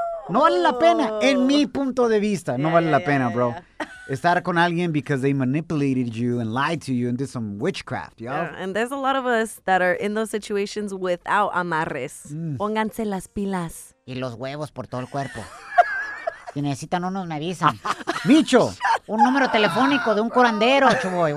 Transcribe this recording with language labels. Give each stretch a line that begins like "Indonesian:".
Spanish: No vale la pena, en mi punto de vista. Yeah, no vale la pena, bro. Estar con alguien
English: because they manipulated you and lied to you and did some witchcraft, y'all. Yeah, and there's a lot of us that are in those situations without amarres.
Spanish: Pónganse las pilas. Y los huevos por todo el cuerpo. Si necesitan unos, me avisan. Micho, un número telefónico de un curandero, Chuboy.